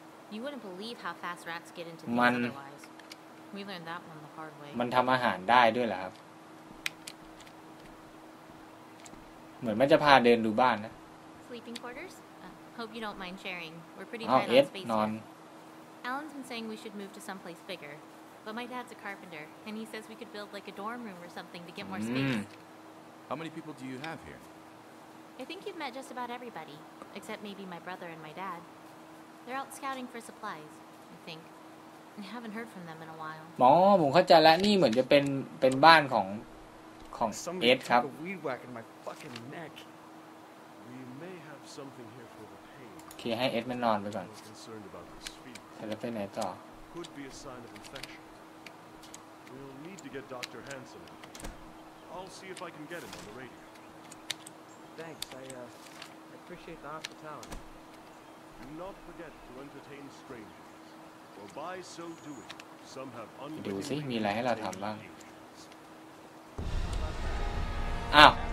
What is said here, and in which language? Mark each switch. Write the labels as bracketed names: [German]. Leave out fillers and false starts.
[English] You wouldn't believe how fast rats get into things otherwise. We learned that one the hard way. [Thai] มันทำอาหารได้ด้วยเหรอครับเหมือนมันจะพาเดินดูบ้านนะ [English] Sleeping quarters? Hope you don't mind sharing. We're pretty tight on space. [Thai] นอน [English] Alan's been saying we should move to some place bigger. But my dad's a carpenter and he says we could build like a dorm room or something to get more space. How many people do you have here? I think you've met just about everybody, except maybe my brother and my dad. They're out scouting for supplies, I think. I haven't heard from them in a while. [Thai] หมอผมเข้าใจแล้วนี่เหมือนจะเป็นบ้านของเอสครับ [English] Weed whack in my fucking neck. We may have something here for the pain. [Thai] โอเคให้เอสมันนอนไปก่อนแต่แล้วไปไหนต่อ [English] Could be a sign of infection. We'll need to get Dr. Hansen. I'll see if I can get him on the radio. Thanks. I appreciate the hospitality. Do not forget to entertain strangers. For by so doing, some have unwittingly. [Thai] ดูสิมีอะไรให้เราทำบ้างอ้าว